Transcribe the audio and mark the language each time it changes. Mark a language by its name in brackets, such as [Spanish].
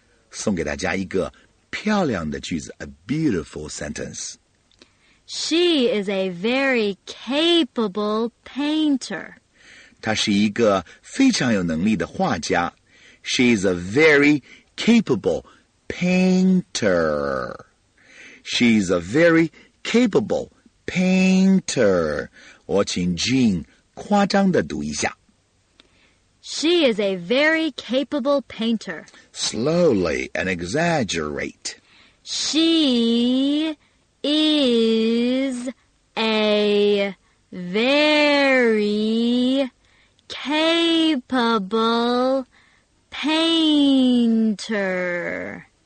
[Chinese] 送给大家一个漂亮的句子, [English] a beautiful sentence. She is a very capable painter. [Chinese] 她是一个非常有能力的画家. [English] She is a very capable painter. She is a very capable painter. [Chinese] 我请Jean夸张地读一下. [English] She is a very capable painter. Slowly and exaggerate. She is a very capable painter.